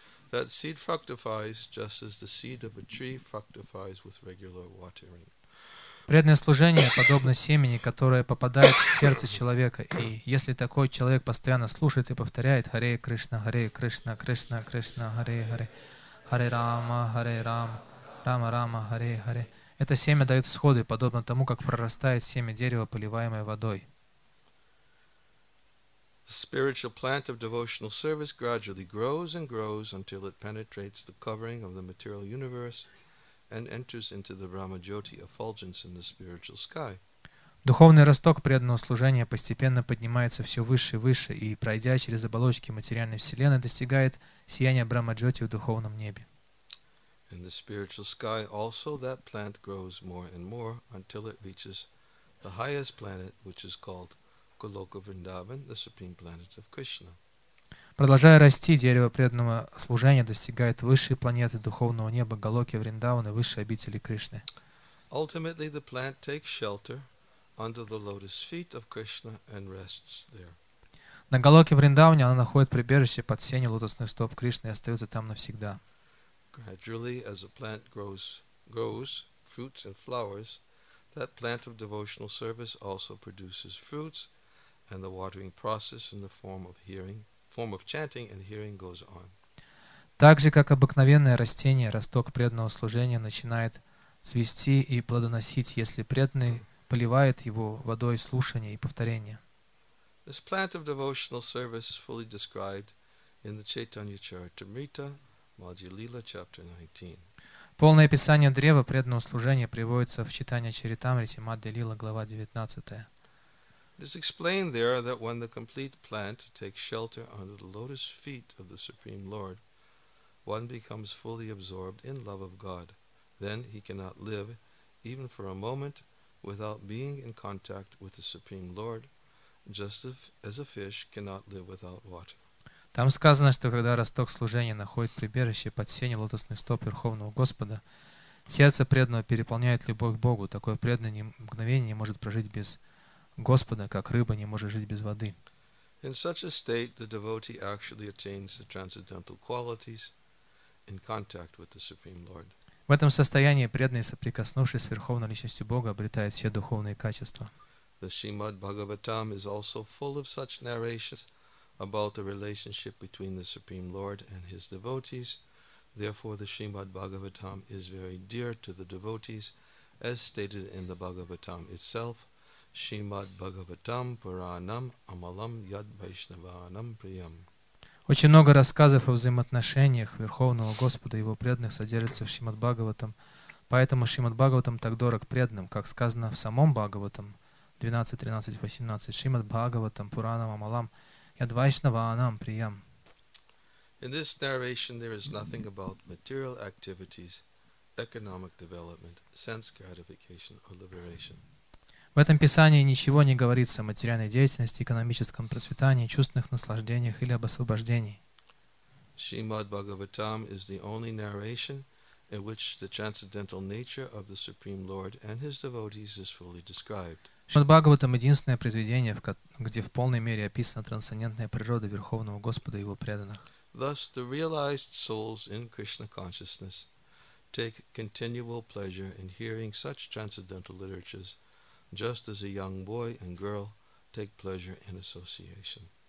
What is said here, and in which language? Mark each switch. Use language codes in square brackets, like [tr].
[en] That seed fructifies just as the seed of a tree fructifies with regular watering. [ru] Преданное служение подобно семени, которое попадает в сердце человека, и если такой человек постоянно слушает и повторяет Харе Кришна, Харе Кришна, Кришна Кришна, Харе Харе, Харе Рама, Харе Рама, Рама Рама, Харе Харе, это семя дает всходы, подобно тому, как прорастает семя дерева, поливаемое водой. [en] The spiritual plant of devotional service gradually grows and grows until it penetrates the covering of the material universe and enters into the Brahma-jyoti effulgence in the spiritual sky. [ru] Духовный росток преданного служения постепенно поднимается все выше и выше, и, пройдя через оболочки материальной вселенной, достигает сияния Брахма-джоти в духовном небе. [en] In the spiritual sky also that plant grows more and more until it reaches the highest planet, which is called Goloka Vrindavan, the supreme planet of Krishna. [ru] Продолжая расти, дерево преданного служения достигает высшей планеты духовного неба Голоки Вриндаваны, высшей обители Кришны. [en] Ultimately, the plant takes shelter under the lotus feet of Krishna and rests there. [ru] На Голоке Вриндаване она находит прибежище под сенью лотосных стоп Кришны и остается там навсегда. [en] Gradually, as a plant grows fruits and flowers, that plant of devotional service also produces fruits, and the watering process in the form of chanting and hearing goes on. [ru] Так же, как обыкновенное растение, росток преданного служения начинает цвести и плодоносить, если преданный поливает его водой слушания и повторения. [en] This plant of devotional service is fully described in the Chaitanya Charitamrita, Madhya Lila, chapter 19. [ru] Полное описание древа преданного служения приводится в Читания Чаритамрите, Мадья Лила, глава 19. [en] It is explained there that when the complete plant takes shelter under the lotus feet of the Supreme Lord, one becomes fully absorbed in love of God. Then he cannot live, even for a moment, without being in contact with the Supreme Lord, just as a fish cannot live without water. [ru] Там сказано, что когда росток служения находит прибежище под сенью лотосных стоп Верховного Господа, сердце преданного переполняет любовь к Богу. Такое преданное мгновение не может прожить без Господа, как рыба не может жить без воды. [en] In such a state, the devotee actually attains the transcendental qualities in contact with the Supreme Lord. [ru] В этом состоянии преданный, соприкоснувшись с Верховной Личностью Бога, обретает все духовные качества. [en] The Srimad Bhagavatam is also full of such narrations about the relationship between the Supreme Lord and his devotees. Therefore, the Srimad Bhagavatam is very dear to the devotees, as stated in the Bhagavatam itself. [sa] Srimad Bhagavatam Puranam Amalam Yad Vaishnavanam Priyam. [ru] Очень много рассказов о взаимоотношениях Верховного Господа и Его преданных содержится в Шримад Бхагаватам, поэтому Шримад Бхагаватам так дорог преданным, как сказано в самом Бхагаватам 12.13.18 [sa] Шримад Бхагаватам Пуранам Амалам Ядвайшнаванам Приям. [en] In this narration there is nothing about material activities, economic development, sense gratification or liberation. [ru] В этом писании ничего не говорится о материальной деятельности, экономическом процветании, чувственных наслаждениях или об освобождении. [en] Srimad Bhagavatam is the only narration in which the transcendental nature of the Supreme Lord and his devotees is fully described. [ru] Srimad Bhagavatam единственное произведение, где в полной мере описана трансцендентная природа Верховного Господа и его преданных. [en] Thus the realized souls in Krishna consciousness take continual pleasure in hearing such transcendental literatures. Just as a young boy and girl take pleasure in association.